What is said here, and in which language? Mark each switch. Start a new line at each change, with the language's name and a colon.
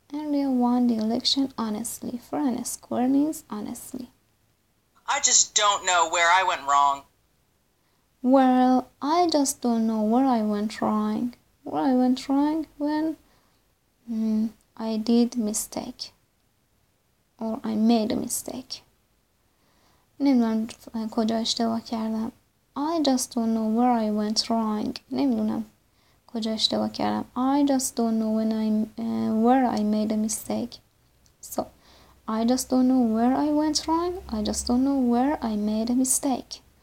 English: Andrea won the election honestly. Fair and square means honestly. I just don't know where I went wrong. Well, I just don't know where I went wrong. Where I went wrong when I did mistake. Or I made a mistake.
Persian: نمیدونم کجا اشتباه کردم.
English: I just don't know where I went wrong.
Persian: نمیدونم کجا اشتباه کردم.
English: I just don't know when where I made a mistake. So, I just don't know where I went wrong. I just don't know where I made a mistake.